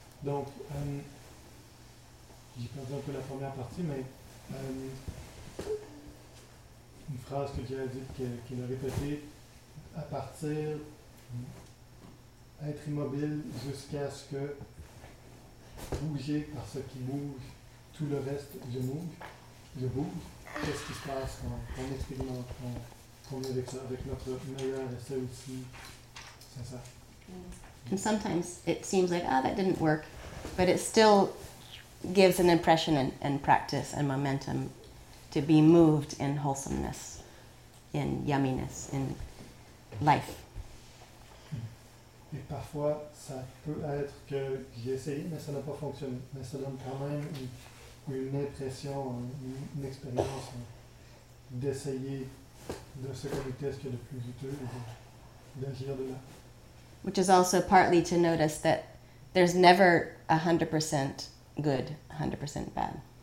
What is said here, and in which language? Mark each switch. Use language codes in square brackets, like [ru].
[fr] Donc, j'ai perdu un peu la première partie, mais une phrase que j'ai dit, qu'il a répétée, à partir, être immobile jusqu'à ce que bouger par ce qui bouge, tout le reste, je bouge. Qu'est-ce qui se passe quand on expérimente, quand on est avec ça, avec notre meilleur essai aussi, c'est ça. [en] And sometimes it seems like, that didn't work, but it still gives an impression and practice and momentum to be moved in wholesomeness, in yumminess, in life. [fr] Et parfois, ça peut être que j'ai essayé, mais ça n'a pas fonctionné. Mais ça donne quand même une impression, une expérience, hein, d'essayer de se connecter à ce qu'il y a de plus douteux et d'agir de là. [en] Which is also partly to notice that there's never 100% good, 100% bad.